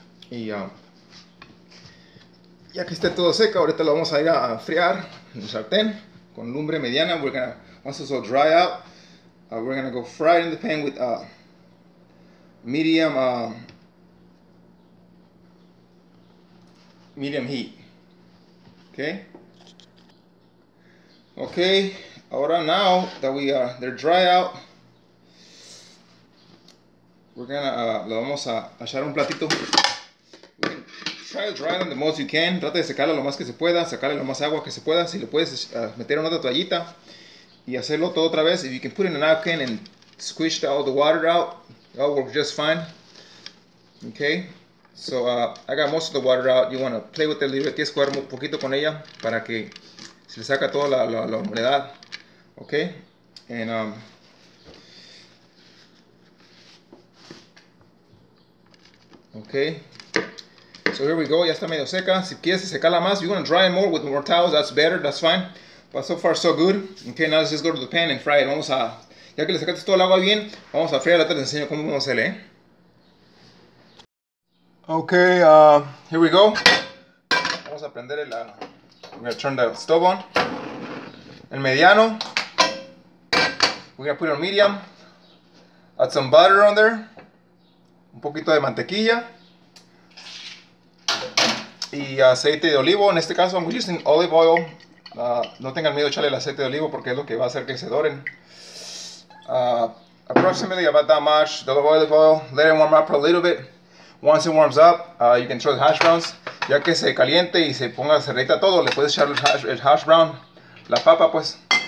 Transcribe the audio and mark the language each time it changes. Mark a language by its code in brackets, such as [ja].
[es] Y ya que esté todo seco, ahorita lo vamos a ir a enfriar en el sartén con lumbre mediana. [en] We're gonna, once it's all dry out, we're gonna go fry it in the pan with medium heat. Okay. Okay. Ahora, now that we they're dry out, we're gonna [es] lo vamos a echar un platito. [en] Try to dry them the most you can. [es] Trata de secarla lo más que se pueda, sacarle lo más agua que se pueda. Si lo puedes meter en otra toallita y hacerlo todo otra vez. [en] If you can put in a napkin and squish all the water out, that'll work just fine. Okay. So I got most of the water out. You want to play with it a little bit. [es] Tienes que jugar un poquito con ella para que se le saca toda la humedad. Okay. [en] And okay. So here we go, [es] ya está medio seca. Si quieres secarla más, [en] you're gonna dry it more with more towels, that's better, that's fine. But so far, so good. Okay, now let's just go to the pan and fry it. [es] Vamos a, ya que le sacaste todo el agua bien, vamos a friarla, te les enseño cómo vamos a hacerle. [en] Okay, here we go. [es] Vamos a prender el, [en] we're gonna turn the stove on. [es] El mediano. [en] We're gonna put it on medium. Add some butter on there. [es] Un poquito de mantequilla. y aceite de olivo. En este caso, [en] I'm using olive oil. [es] No tengan miedo a echarle el aceite de olivo porque es lo que va a hacer que se doren. [en] Approximately about that much, the olive oil. Let it warm up a little bit. Once it warms up, you can throw the hash browns. [es] Ya que se caliente y se ponga cerrita todo, le puedes echar el hash brown, la papa, pues.